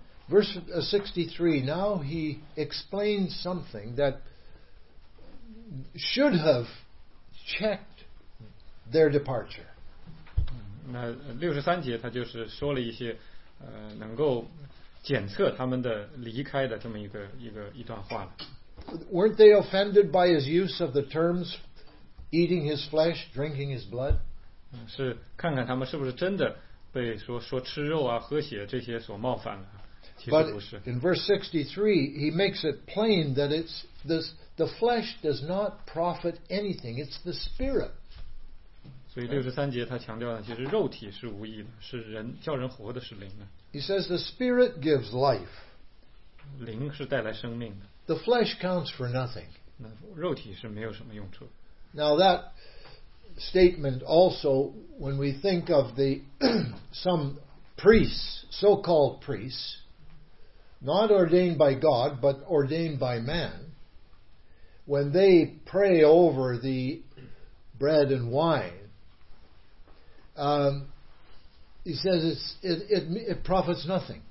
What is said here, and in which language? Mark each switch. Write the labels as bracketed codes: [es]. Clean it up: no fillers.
[en] Verse 63, now he explains something that should have checked their departure. [zh] 那63节他就是说了一些能够检测他们的离开的这么一段话了。 [en] Weren't they offended by his use of the terms eating his flesh, drinking his blood? [zh] 是看看他们是不是真的被说吃肉啊喝血这些所冒犯了。 [en] But in verse 63, he makes it plain that it's this, the flesh does not profit anything. It's the spirit. [zh] 所以63节他强调呢，其实肉体是无益的，是人叫人活的是灵的。 [en] He says the spirit gives life. [zh] 灵是带来生命的。 [en] The flesh counts for nothing. [zh] 那肉体是没有什么用处。 [en] Now that statement also, when we think of the some priests, so-called priests. Not ordained by God, but ordained by man. When they pray over the bread and wine, he says it profits nothing.